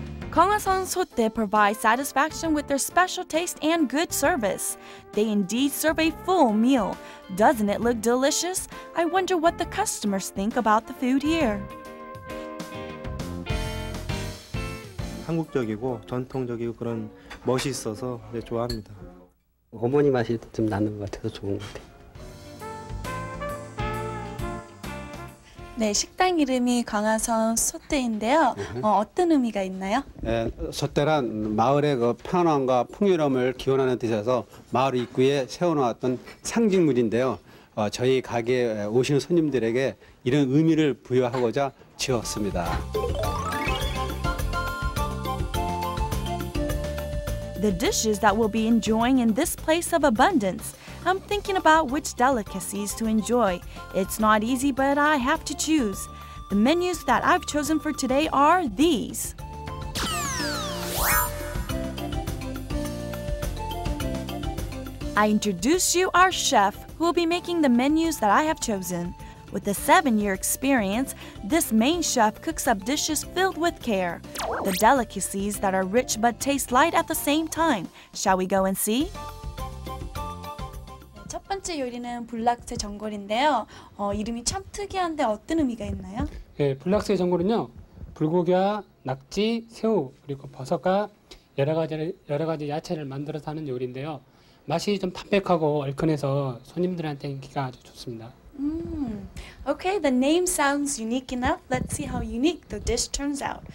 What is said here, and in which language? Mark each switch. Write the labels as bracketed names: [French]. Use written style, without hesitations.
[English] 광화성 솟대 provides satisfaction with their special taste and good service. They indeed serve a full meal. Doesn't it look delicious? I wonder what the customers think about the food here. [Korean] 한국적이고 전통적이고 그런 멋이 있어서 좋아합니다. 어머니 맛이 좀 나는 것 같아서 좋은 것 같아요. 네, 식당 이름이 광화성 솟대인데요. 어떤 의미가 있나요? 네, 솟대란 마을의 그 편안함과 풍요로움을 기원하는 뜻에서 마을 입구에 세워놓았던 상징물인데요. 저희 가게에 오시는 손님들에게 이런 의미를 부여하고자 지었습니다. [English] The dishes that we'll be enjoying in this place of abundance. I'm thinking about which delicacies to enjoy. It's not easy, but I have to choose. The menus that I've chosen for today are these. I introduce you our chef, who will be making the menus that I have chosen. With a 7-year experience, this main chef cooks up dishes filled with care. The delicacies that are rich but taste light at the same time. Shall we go and see? [Korean] 첫 번째 요리는 블락새 전골인데요. 이름이 참 특이한데 어떤 의미가 있나요? 예, 블락새 전골은요. 불고기와 낙지, 새우, 그리고 버섯과 여러 가지 야채를 만들어서 하는 요리인데요. 맛이 좀 담백하고 얼큰해서 손님들한테 인기가 아주 좋습니다. [English] Okay, the name sounds unique enough. Let's see how unique the dish turns out.